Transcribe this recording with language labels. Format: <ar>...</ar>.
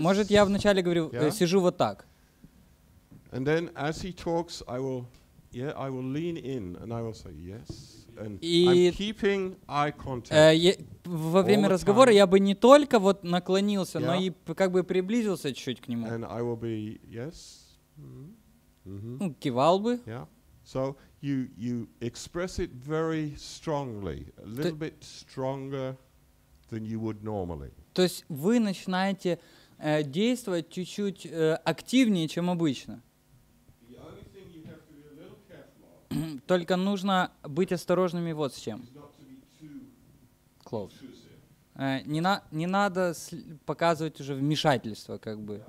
<ru>Может, я вначале говорю, сижу вот так.</ru> <en>And then, as he talks, I will lean in and I will say yes. And I'm keeping eye contact.</en> <ru>Во время разговора я бы не только вот наклонился, но и как бы приблизился чуть-чуть к нему.</ru> <en>And I will be yes.</en> <ru>Ну, кивал бы.</ru> <en>Yeah. So you express it very strongly, a little bit stronger than you would normally.</en> <ru>То есть вы начинаете действовать чуть-чуть активнее, чем обычно. Только нужно быть осторожными вот с чем. Не надо показывать уже вмешательство, как бы.</ru>